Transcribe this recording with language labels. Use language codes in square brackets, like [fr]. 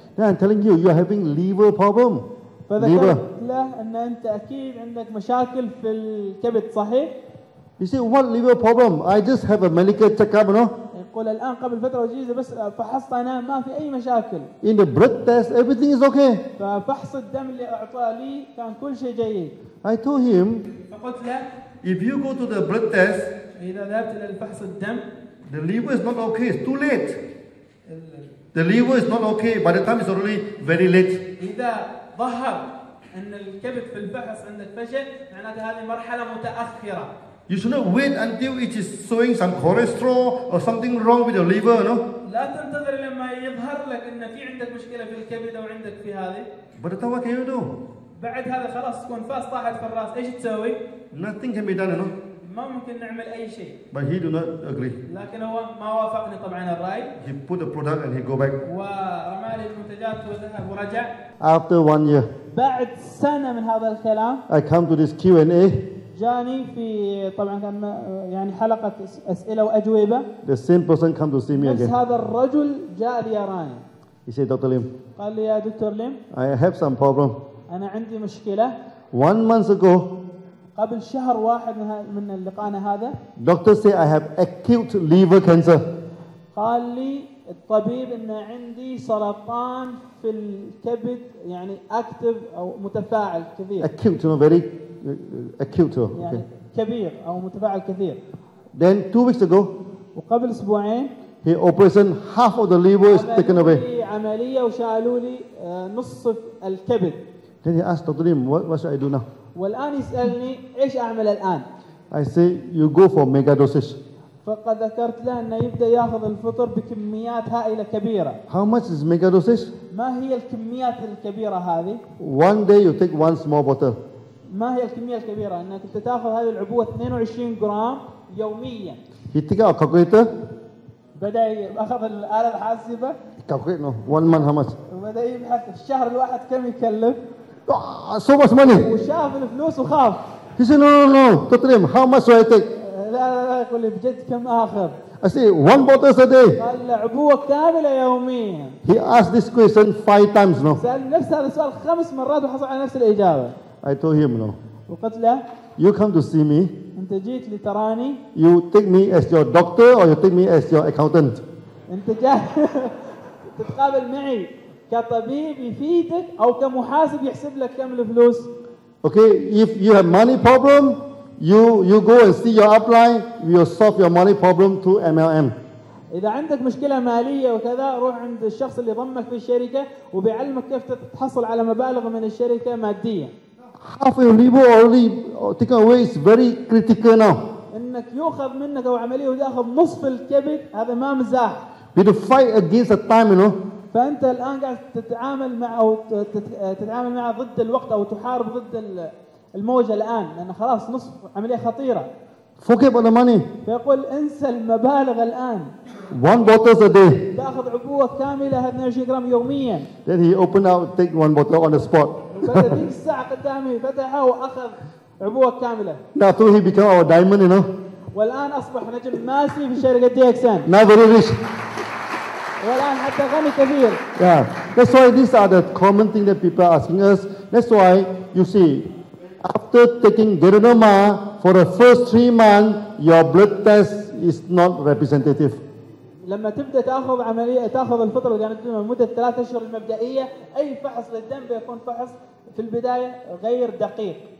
[en] Then I'm telling you, you are having liver problem. [ar] فذكرت له أن أنت أكيد عندك مشاكل في الكبد صحيح. [en] You say what liver problem? I just have a medical checkup, no? [ar] يقول الآن قبل فترة وجيزة بس فحصت أنا ما في أي مشاكل. [en] In the blood test, everything is okay. [ar] ففحص الدم اللي أعطاه لي كان كل شيء جيد. [en] I told him. [ar] فقلت له. [en] If you go to the blood test. [ar] إذا ذهبت للفحص الدم. [en] The liver is not okay. It's too late. The liver is not okay. By the time it's already very late. [ar] إذا ظهر أن الكبد في الفحص عندك فشل معناته هذه مرحلة متأخرة. [en] You should not wait until it is showing some cholesterol or something wrong with your liver, no? [ar] لا تنتظر لما يظهر لك أن في عندك مشكلة في الكبد أو عندك في هذه. [en] But what can you do? [ar] بعد هذا خلاص تكون فاس طاحت في الرأس. إيش تسوي؟ [en] Nothing can be done, no? [ar] ما ممكن نعمل أي شيء. [en] But he do not agree. [ar] لكن هو ما وافقني طبعاً الرأي. [en] He put the product and he go back. [ar] ورمالي المنتجات وذهب ورجع. [en] After 1 year. [ar] بعد سنة من هذا الكلام. [en] I come to this Q&A. [ar] جاني في طبعاً كان يعني حلقة أسئلة وأجوبة. [en] The same person come to see me again. [ar] هذا الرجل جاء ليراني. [en] He said, Dr. Lim. [ar] قال لي يا دكتور ليم. [en] I have some problem. [ar] أنا عندي مشكلة. [en] 1 month ago. [ar] قبل شهر واحد من اللقاءنا هذا. [en] Doctor say I have acute liver cancer. [ar] قال لي الطبيب إن عندي سرطان في الكبد يعني active أو متفاعل كثير. [en] Acute, no, very. Acute, [ar] يعني [en] okay. [ar] كبير أو متفاعل كثير. [en] Then 2 weeks ago. [ar] وقبل أسبوعين. [en] He operated half of the liver is taken away. [ar] عملية وشالوا لي نصف الكبد. [en] Then he asked Dr. Lim, what should I do now? [ar] والآن يسألني إيش أعمل الآن؟ [en] I say you go for mega dosage. [ar] فقد ذكرت له أنه يبدأ يأخذ الفطر بكميات هائلة كبيرة. [en] How much is mega dosage? [ar] ما هي الكميات الكبيرة هذه؟ [en] One day you take one small bottle. [ar] ما هي الكمية الكبيرة؟ أنك تتأخذ هذه العبوة 22 جرام يومياً. [en] He took out a calculator. [ar] بدأ أخذ الآلة الحاسبة. [en] Calculate no. One month how much? [ar] بدأ يبحث الشهر الواحد كم يكلف. [en] So much money. [ar] وشاف الفلوس وخاف. [en] He said no. Totally. How much do I take? [ar] لا. يقول لي بجد كم آخر؟ [en] I say one bottle a day. [ar] لعبوه كاملة يوميا. [en] He asked this question five times, no. [ar] سأل نفس هذا السؤال خمس مرات وحصل على نفس الإجابة. [en] I told him no. [ar] وقلت له. [en] You come to see me. [ar] أنت جيت لتراني. [en] You take me as your doctor or you take me as your accountant. [ar] أنت جاء تتقابل معي كطبيب يفيدك أو كمحاسب يحسب لك كم الفلوس. [en] Okay, if you have money problem. You go and see your upline. We will solve your money problem to MLM. [ar] إذا عندك مشكلة مالية وكذا روح عند الشخص اللي ضمك في الشركة وبيعلمك كيف تتحصل على مبالغ من الشركة مادية. [en] Half a ribo already taken away is very critical now. [ar] إنك يأخذ منك أو عملية وتأخذ نصف الكبد هذا ما مزاح. [en] We to fight against the time, you know. [ar] فأنت الآن قاعد تتعامل مع أو تتعامل مع ضد الوقت أو تحارب ضد ال. الموجة الآن لأن خلاص نصف عملية خطيرة. [en] Forget about the money. [ar] فيقول انسى المبالغ الآن. [en] One bottle a day. [ar] تأخذ عبوة كاملة 20 جرام يومياً. [en] Then he opened out, take one bottle on the spot. [ar] فذيك الساعة قدامي فتحه وأخذ عبوة كاملة. [en] Now too he became our diamond, you know. [ar] والآن أصبح نجم ماسي في شركة DXN. [en] Now very rich. [ar] والآن حتى غني كثير. [en] Yeah, that's why these are the common thing that people are asking us. That's why you see. After taking Geronoma for the first 3 months, your blood test is not representative. [ar] لما تبدأ تأخذ عملية تأخذ الفطر الجانبية لمدة 3 أشهر المبدئية أي فحص للدم بيكون فحص في البداية غير دقيق.